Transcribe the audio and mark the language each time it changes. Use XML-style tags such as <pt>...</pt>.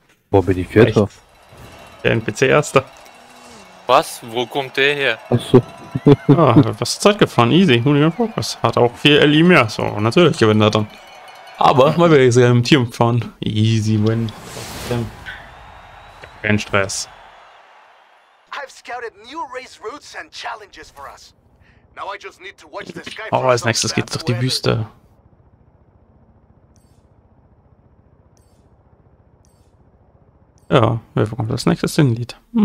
<de>Boah, bin ich Vierter. Echt? Der NPC Erster. Was? Wo kommt der her? Achso. Ah, was ist Zeit gefahren? Easy, Hooligan Focus. Hat auch 4 LI mehr, so natürlich gewinnt er dann. Aber mal wieder ist er im Team gefahren.</de> <en>Easy win.</en> <de>Kein Stress.</de> <en>I've scouted new race routes and challenges for us. Now I just need to watch the sky.</en> <de>Aber als nächstes geht's durch die Wüste. Ja, wer bekommt das nächste Sinnlied?</de>